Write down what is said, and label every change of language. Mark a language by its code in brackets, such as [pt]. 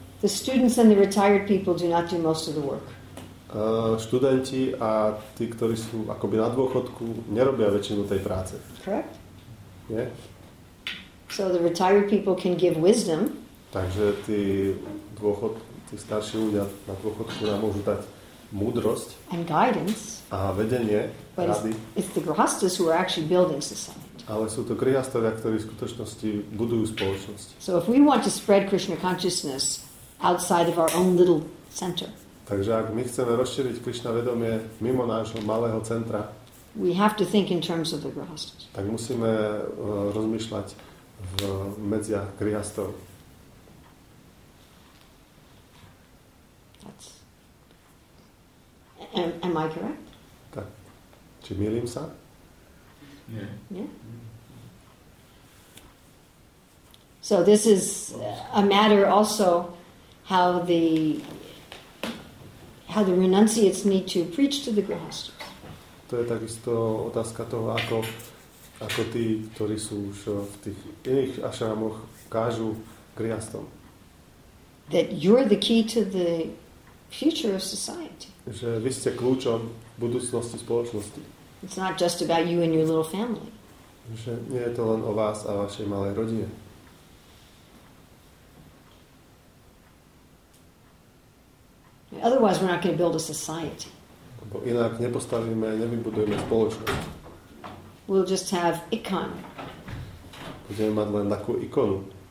[en] The students and the retired people do not do most of the work. [sk] Študenti a tí, ktorí sú akoby na dôchodku, nerobia väčšinu tej práce. [en] Correct? [sk] Nie? [en] So the retired people can give wisdom. [sk] Takže tí starší ľudia na dôchodku nám môžu dať múdrosť. [en] And guidance. [sk] A vedenie, [en] but [sk] rady. [en] It's the grihasthas who are actually building society. [sk] Ale sú to grihasthovia, ktorí v skutočnosti budujú spoločnosť. [en] So if we want to spread Krishna consciousness, outside of our own little center. [sk] Takže ak my chceme rozšíriť Krishna vedomie mimo nášho malého centra, [en] we have to think in terms of the grihastas. [sk] Tak musíme rozmýšľať v medziach grihastov. [en] That's... Am I correct? [sk] Tak. Či mýlim sa? Nie. Nie? [en] So this is a matter also how the renunciates need to preach to the grihastas. [sk] To je takisto otázka toho, ako, ako tí, ktorí sú už v tých iných ašrámoch, kážu grihastom. [en] That you're the key to the future of society. [sk] Že vy ste kľúčom budúcnosti spoločnosti. [en] It's not just about you and your little family. [sk] Že nie je to len o vás a vašej malej rodine. [en] Otherwise we're not going to build a society. [sk] Bo inak nepostavíme, nevybudujeme spoločnosť. [en] We'll just have icon. [sk] Budeme mať len takú ikonu.